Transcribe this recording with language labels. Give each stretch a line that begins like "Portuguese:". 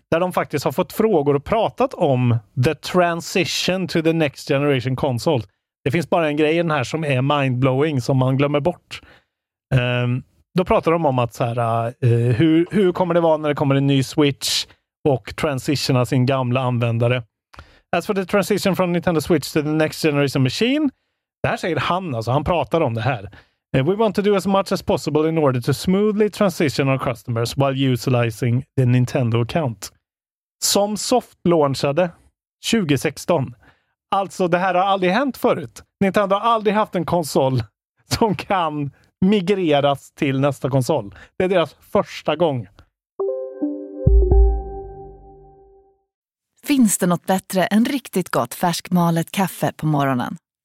Swedish: Där de faktiskt har fått frågor och pratat om
English: the transition to the next generation console.
Swedish: Det finns bara en grej i den här som är mindblowing som man glömmer bort. Då pratar de om att så här, hur kommer det vara när det kommer en ny Switch och transitionar sin gamla användare.
English: As for the transition from Nintendo Switch to the next generation machine.
Swedish: Det här säger han, alltså han pratar om det här.
English: We want to do as much as possible in order to smoothly transition our customers while utilizing the Nintendo account.
Swedish: Som soft launchade 2016. Alltså, det här har aldrig hänt förut. Nintendo har aldrig haft en konsol som kan migreras till nästa konsol. Det är deras första gång. Finns det något bättre än riktigt gott färskmalet kaffe på morgonen?